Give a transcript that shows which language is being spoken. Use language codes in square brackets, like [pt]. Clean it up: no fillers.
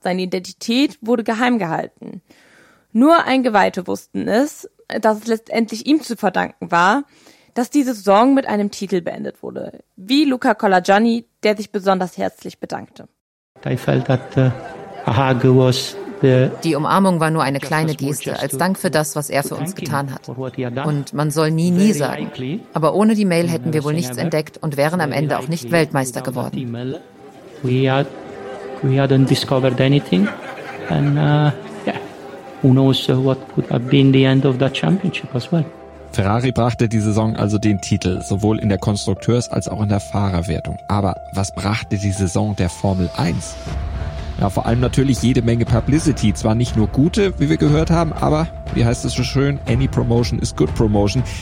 [de] Seine Identität wurde geheim gehalten. Nur Eingeweihte wussten es, dass es letztendlich ihm zu verdanken war, dass diese Saison mit einem Titel beendet wurde, wie Luca Colagianni, der sich besonders herzlich bedankte. [en] I felt that a hug was the... [de] Die Umarmung war nur eine kleine Geste, als Dank für das, was er für uns getan hat. Und man soll nie, nie sagen. Aber ohne die Mail hätten wir wohl nichts entdeckt und wären am Ende auch nicht Weltmeister geworden. [en] We hadn't discovered anything. And who knows what could have been the end of that championship as well. [de] Ferrari brachte die Saison also den Titel, sowohl in der Konstrukteurs- als auch in der Fahrerwertung. Aber was brachte die Saison der Formel 1? Ja, vor allem natürlich jede Menge Publicity. Zwar nicht nur gute, wie wir gehört haben, aber, wie heißt es so schön, [en] any promotion is good promotion.